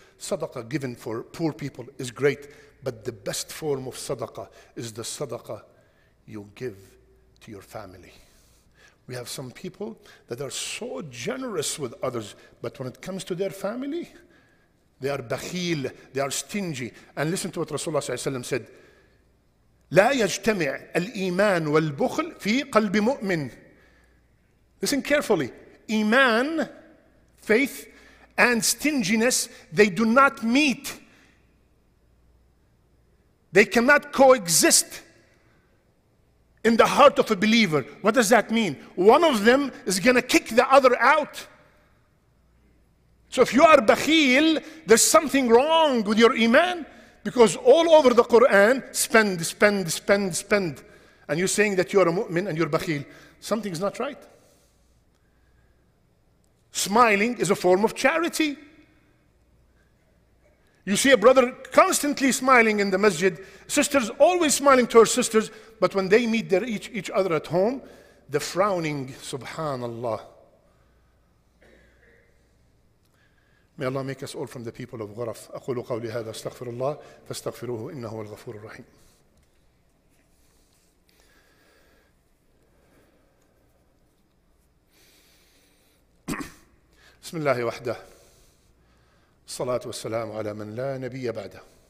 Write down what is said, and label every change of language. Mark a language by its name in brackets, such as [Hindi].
[English] Sadaqah given for poor people is great. But the best form of sadaqah is the sadaqah you give to your family. We have some people that are so generous with others, but when it comes to their family, they are bakhil, they are stingy. And listen to what Rasulullah Sallallahu Alaihi Wasallam said. [Arabic] لا يجتمع الإيمان والبخل في قلب مؤمن. [English] Listen carefully. Iman, faith, and stinginess, they do not meet. They cannot coexist in the heart of a believer. What does that mean? One of them is going to kick the other out. So if you are bakhil, there's something wrong with your iman. Because all over the Quran, spend, spend, spend, spend. And you're saying that you're a mu'min and you're bakhil. Something's not right. Smiling is a form of charity. You see a brother constantly smiling in the masjid. Sisters always smiling to her sisters. But when they meet their each other at home, the frowning, subhanallah. May Allah make us all from the people of Ghuraf. [Arabic] أقول قولي هذا استغفر الله فاستغفروه إنه الغفور الرحيم. بسم الله وحده. الصلاة والسلام على من لا نبي بعده.